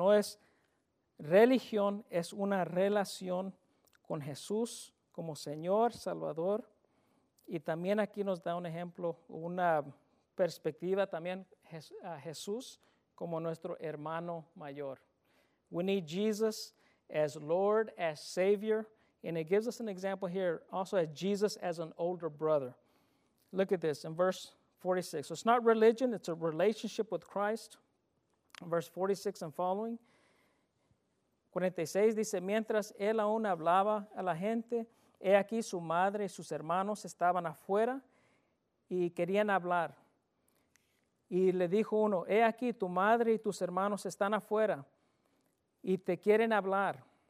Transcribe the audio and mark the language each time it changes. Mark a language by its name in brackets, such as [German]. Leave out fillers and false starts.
[Spanish] No es religión, es una relación con Jesús como Señor, Salvador. Y también aquí nos da un ejemplo, una perspectiva también a Jesús como nuestro hermano mayor. [English] We need Jesus as Lord, as Savior. And it gives us an example here, also as Jesus as an older brother. Look at this in verse 46. So it's not religion, it's a relationship with Christ. Verse 46 and following. [Spanish] 46 dice, mientras él aún hablaba a la gente, he aquí su madre y sus hermanos estaban afuera y querían hablar. Y le dijo uno, he aquí tu madre y tus hermanos están afuera y te quieren hablar.